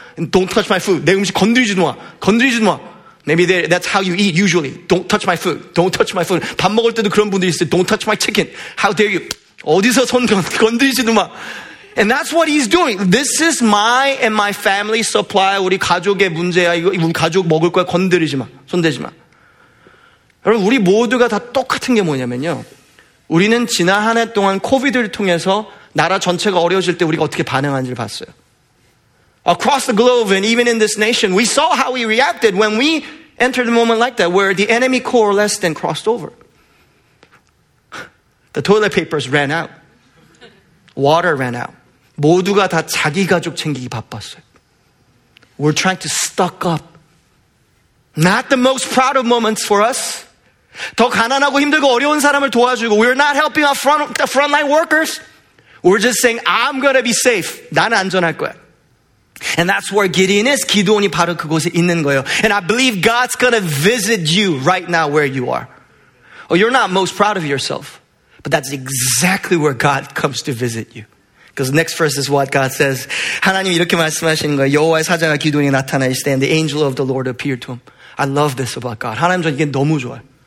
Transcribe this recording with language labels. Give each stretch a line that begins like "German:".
English: And don't touch my food
Korean: 내 음식 건드리지 마
English: Maybe that's how you eat usually. Don't touch my food. Don't touch my food.
Korean: 밥 먹을 때도 그런 분들이 있어요.
English: Don't touch my chicken. How dare you?
Korean: 어디서 손 건드리지도 마.
English: And that's what he's doing. This is my and my family supply.
Korean: 우리 가족의 문제야. 이거 우리 가족 먹을 거야. 건드리지 마. 손 대지 마. 여러분 우리 모두가 다 똑같은 게 뭐냐면요. 우리는 지난 한 해 동안 코비드를 통해서 나라 전체가 어려워질 때 우리가 어떻게 반응하는지를 봤어요.
English: Across the globe and even in this nation, we saw how we reacted when we entered a moment like that where the enemy coalesced and crossed over. The toilet papers ran out. Water ran out.
Korean: 모두가 다 자기 가족 챙기기 바빴어요.
English: We're trying to stock up. Not the most proud of moments for us.
Korean: 더 가난하고 힘들고 어려운 사람을 도와주고
English: we're not helping our frontline workers. We're just saying, I'm going to be safe.
Korean: 나는 안전할 거야.
English: And that's where Gideon is.
Korean: 기드온이 바로 그곳에 있는 거예요.
English: And I believe God's going to visit you right now where you are. Oh, you're not most proud of yourself. But that's exactly where God comes to visit you. Because next verse is what God says.
Korean: 하나님 이렇게 말씀하시는 거예요. 여호와의 사자가 기드온이 나타나 있을 때
English: and the angel of the Lord appeared to him. I love this about God.
Korean: 하나님 저 이게 너무 좋아요.